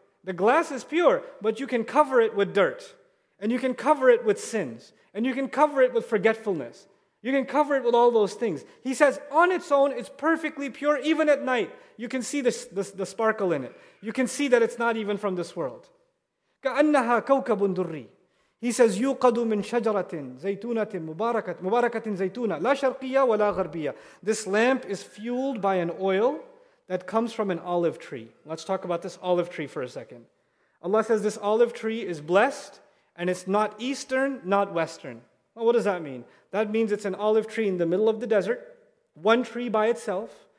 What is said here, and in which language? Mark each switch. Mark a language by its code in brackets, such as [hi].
[en] The glass is pure, but you can cover it with dirt, and you can cover it with sins, and you can cover it with forgetfulness. You can cover it with all those things. He says, on its own, it's perfectly pure, even at night. You can see the sparkle in it. You can see that it's not even from this world. [ar] كَأَنَّهَا كَوْكَبٌ دُرِّي. [en] He says, [ar] يُقَدُ مِن شَجَرَةٍ زَيْتُونَةٍ مُبَارَكَةٍ زَيْتُونَةٍ لَا شَرْقِيَّةٍ وَلَا غَرْبِيَّةٍ. [en] This lamp is fueled by an oil that comes from an olive tree. Let's talk about this olive tree for a second. Allah says this olive tree is blessed, and it's not eastern, not western. Well, what does that mean? That means it's an olive tree in the middle of the desert, one tree by itself.